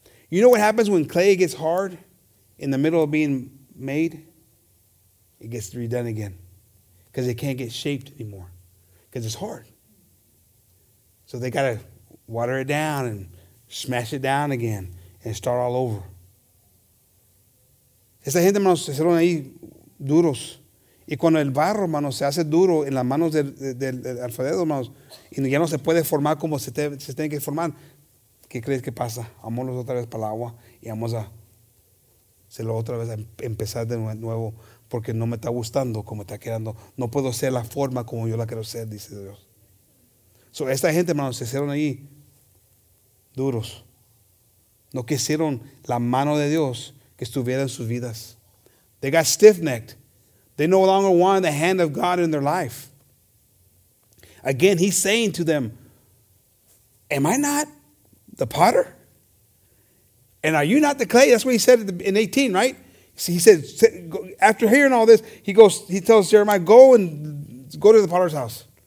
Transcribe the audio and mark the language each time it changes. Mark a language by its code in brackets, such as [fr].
[en] You know what happens when clay gets hard in the middle of being made? It gets redone again because it can't get shaped anymore because it's hard. So they got to water it down and smash it down again and start all over. [es] Esa gente, hermanos, se hicieron ahí duros. Y cuando el barro, hermanos, se hace duro en las manos del alfarero, hermanos, y ya no se puede formar como se tiene que formar, ¿qué crees que pasa? Vámonos otra vez para el agua y vamos a hacerlo otra vez, a empezar de nuevo, porque no me está gustando como está quedando. No puedo ser la forma como yo la quiero ser, dice Dios. So, esta gente, hermanos, se hicieron ahí duros. No quisieron la mano de Dios que estuviera en sus vidas. [en] They got stiff-necked. They no longer wanted the hand of God in their life. Again, he's saying to them, am I not the potter? And are you not the clay? That's what he said in 18, right? See, he said, after hearing all this, he tells Jeremiah, go to the potter's house.